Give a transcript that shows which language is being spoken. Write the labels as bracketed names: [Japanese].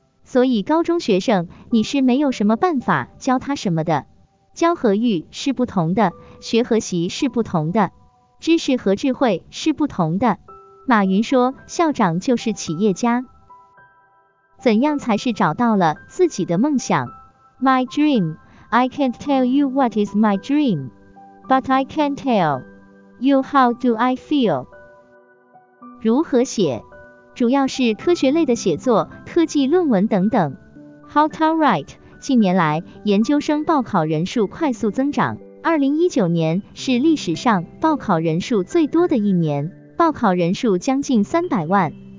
[Chinese] 所以高中学生你是没有什么办法教他什么的。教和育是不同的，学和习是不同的，知识和智慧是不同的。马云说，校长就是企业家。怎样才是找到了自己的梦想？ [English] My dreamI can't tell you what is my dream, but I can tell you how do I feel. [Chinese] 如何写？主要是科学类的写作、科技论文等等。 [English] How to write? [Chinese] 近年来，研究生报考人数快速增长。 2019年是历史上报考人数最多的一年，报考人数将近300万。